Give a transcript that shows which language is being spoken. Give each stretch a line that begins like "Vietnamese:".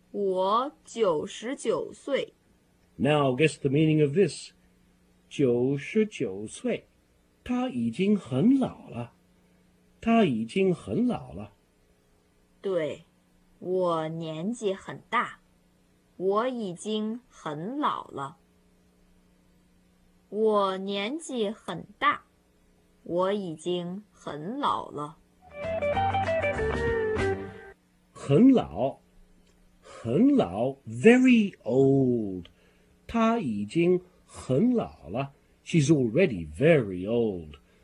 Chinese: 没错,赵女士,您多大年纪了?99,我99岁。
English: Now guess the meaning of this.
Chinese: 99岁, 他已经很老了。对,我年纪很大,我已经很老了。我年纪很大,我已经很老了。很老,很老,
English: very old.
Chinese: 她已经很老了,
English: she's already very old.